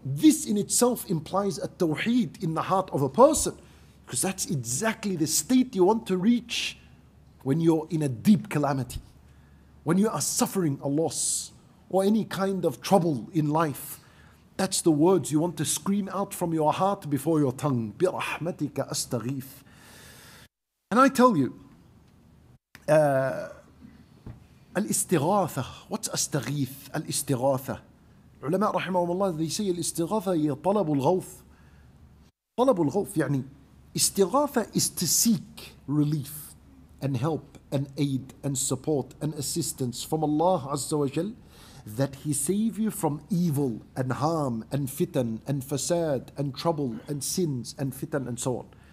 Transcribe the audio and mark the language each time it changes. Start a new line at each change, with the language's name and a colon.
English: This in itself implies a tawheed in the heart of a person, because that's exactly the state you want to reach when you're in a deep calamity, when you are suffering a loss or any kind of trouble in life. That's the words you want to scream out from your heart before your tongue.
Arabic: بِرَحْمَتِكَ أَسْتَغِيثُ.
English: And I tell you, الْإِسْتِغَاثَ. What's أَسْتَغِيث?
Arabic: الْإِسْتِغَاثَ. علماء رحمهم الله,
English: they say
Arabic: الْإِسْتِغَاثَ هي طلب الغوث. طلب الغوث يعني استغاثة
English: is to seek relief and help and aid and support and assistance from Allah Azza wa Jal, that He save you from evil and harm and fitan and fasad and trouble and sins and fitan and so on.